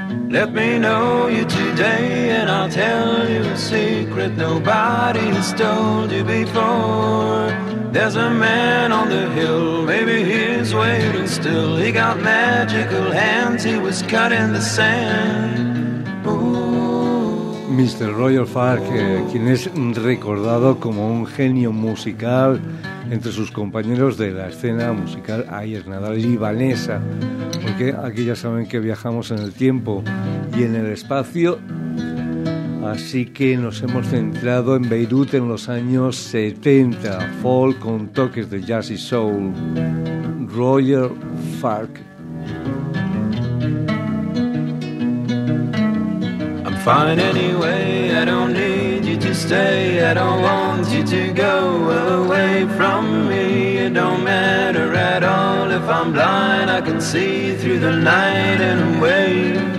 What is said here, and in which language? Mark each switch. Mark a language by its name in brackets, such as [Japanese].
[English] Let me know you today and I'll tell you a secret nobody has told you before. There's a man on the hill, maybe he's waiting still. He got magical hands, he was cutting the sand. Ooh. Mr. [Spanish] Roger Fark, quien es recordado como un genio musical entre sus compañeros de la escena musical Ayer Nadal y Vanessa, porque aquí ya saben que viajamos en el tiempo y en el espacio, así que nos hemos centrado en Beirut en los años 70, folk con toques de jazz y soul, Roger Fark. [English] I'm fine anyway, I don't need stay, I don't want you to go away from me. It don't matter at all if I'm blind. I can see through the night and away.